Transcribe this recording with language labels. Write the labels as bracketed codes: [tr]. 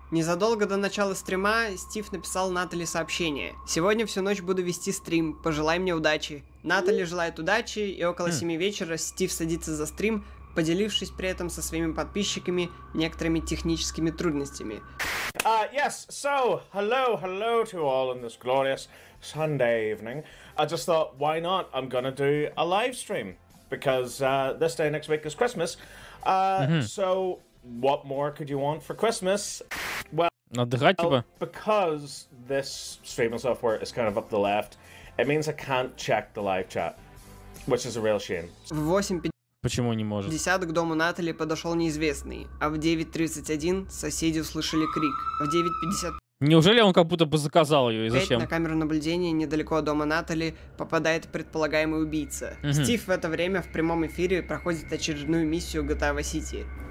[ru] Незадолго до начала стрима Стив написал Натали сообщение. «Сегодня всю ночь буду вести стрим, пожелай мне удачи». Натали желает удачи, и около 7 вечера Стив садится за стрим, поделившись при этом со своими подписчиками некоторыми техническими трудностями. [en] Yes, so, hello to all on this glorious Sunday evening. I just thought, why not? I'm gonna do a live stream. Because this day next week is Christmas. So, what more could you want for Christmas? [ru] Well, отдыхать, типа? [en] Because this streaming software is kind of up the left, it means I can't check the live chat. Which is a real shame. [ru] Почему не может? В 10 к дому Натали подошел неизвестный, а в 9:31 соседи услышали крик. В 9:50... Неужели он как будто бы заказал ее и зачем? На камеру наблюдения недалеко от дома Натали попадает предполагаемый убийца. Угу. Стив в это время в прямом эфире проходит очередную миссию GTA Vice City.